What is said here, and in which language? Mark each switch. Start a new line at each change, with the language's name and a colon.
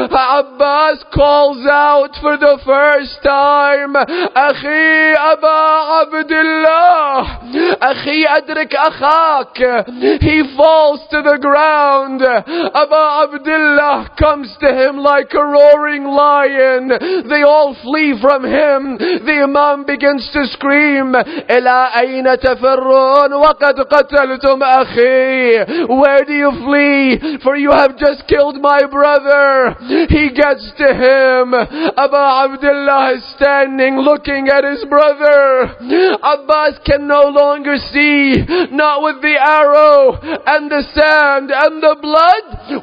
English: Abbas calls out for the first time,
Arabic: أَخِي أَبَا عَبْدِ اللَّهِ. أَخِي أَدْرِكْ أَخَاكَ.
English: He falls to the ground. Aba Abdullah comes to him like a roaring lion. They all flee from him. The Imam begins to scream,
Arabic: إِلَىٰ أَيْنَ تَفِرُّونَ وَقَدْ قَتَلْتُمْ أَخِي.
English: Where do you flee? For you have just killed my brother. He gets to him. Aba Abdullah is standing looking at his brother. Abbas can no longer see, not with the arrow and the sand and the blood.